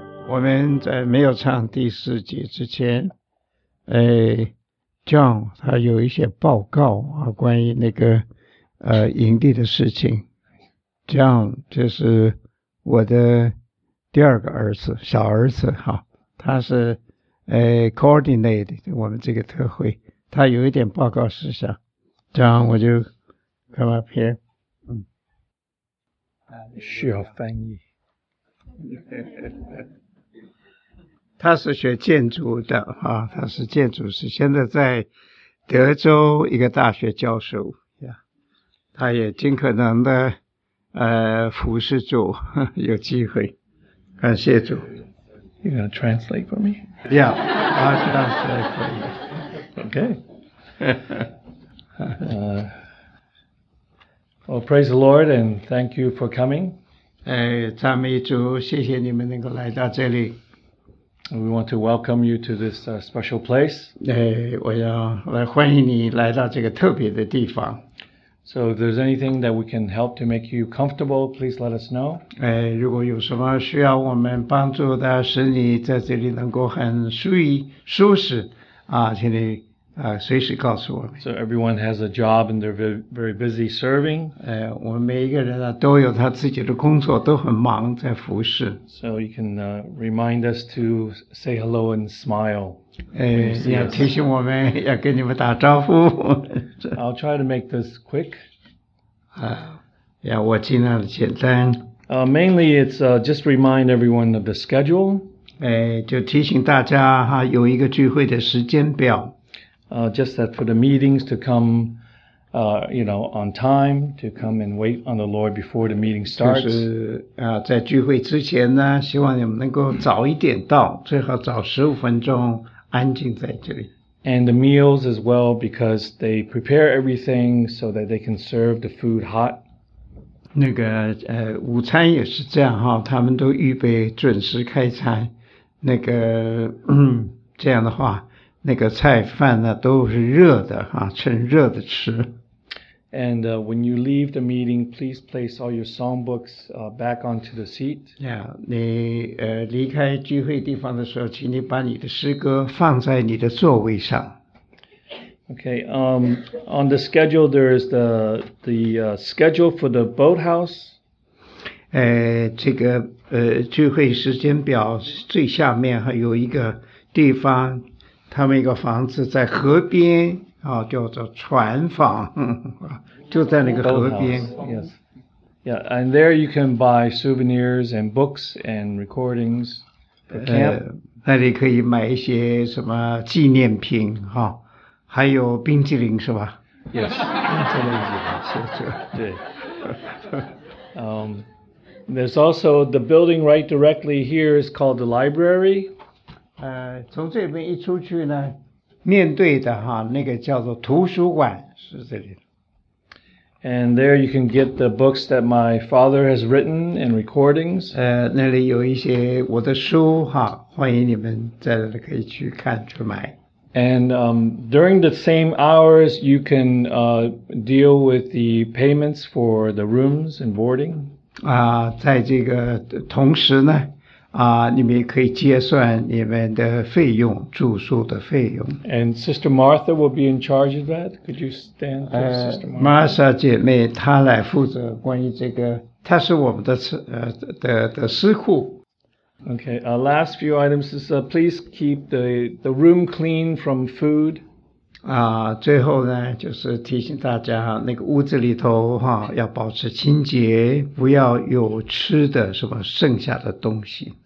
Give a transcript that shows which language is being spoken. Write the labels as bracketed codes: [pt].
[zh] 我们在没有唱第四节之前，John 他有一些报告啊，关于那个营地的事情。 John 就是我的第二个儿子，小儿子哈，他是coordinate 我们这个特会，他有一点报告事项。 [en] John [zh] 我就 [en] come up here， [zh] 需要翻译。他是学建筑的啊，他是建筑师，现在在德州一个大学教授呀。他也尽可能的服侍主，有机会，感谢主。 [en] You gonna translate for me? Yeah, I'll translate for you. Okay. Well, praise the Lord and thank you for coming. [zh] 赞美主，谢谢你们能够来到这里。 [en] We want to welcome you to this special place. [zh] 我要来欢迎你来到这个特别的地方。 [en] So if there's anything that we can help to make you comfortable, please let us know. [zh] 如果有什么需要我们帮助的，使你在这里能够很舒适，请你随时告诉我们。 [en] So everyone has a job and they're very busy serving. [zh] 我们每一个人都有他自己的工作，都很忙在服侍。 [en] So you can remind us to say hello and smile. [zh] 要提醒我们要跟你们打招呼。 [en] I'll try to make this quick. [zh] 我尽量的简单。 [en] Mainly it's just remind everyone of the schedule. [zh] 就提醒大家哈，有一个聚会的时间表。 [en] Just that for the meetings to come, on time, to come and wait on the Lord before the meeting starts. [zh] 就是在聚会之前呢，希望你们能够早一点到，最好早15分钟安静在这里。 [en] And the meals as well, because they prepare everything so that they can serve the food hot. [zh] 那个午餐也是这样哈，他们都预备准时开餐。那个这样的话，那个菜饭呢都是热的哈，趁热的吃。 [en] And when you leave the meeting, please place all your songbooks back onto the seat. [zh] Yeah, 你离开聚会地方的时候，请你把你的诗歌放在你的座位上。 [en] Okay, on the schedule, there is the schedule for the boathouse. [zh] 这个聚会时间表最下面还有一个地方，他们一个房子在河边。叫做船房，就在那个河边。 [en] Yes. Yeah, and there you can buy souvenirs and books and recordings for camp. [zh] 那里可以买一些什么纪念品，还有冰激凌是吧？ [en] Yes, [zh] 冰激凌是吧？是对。 [en] There's also the building right directly here is called the library. [zh] 从这边一出去呢。面对的哈，那个叫做图书馆是这里。 [en] And there you can get the books that my father has written and recordings. [zh] 那里有一些我的书哈，欢迎你们在那里可以去看去买。 [en] And during the same hours, you can deal with the payments for the rooms and boarding. [zh] 在这个同时呢，你们可以结算你们的费用，住宿的费用。 [en] And Sister Martha will be in charge of that. Could you stand for Sister Martha? [zh] Martha 姐妹，她来负责关于这个，她是我们的司库。 [en] Okay, last few items is please keep the room clean from food. [zh] 最后呢，就是提醒大家，那个屋子里头要保持清洁，不要有吃的什么剩下的东西。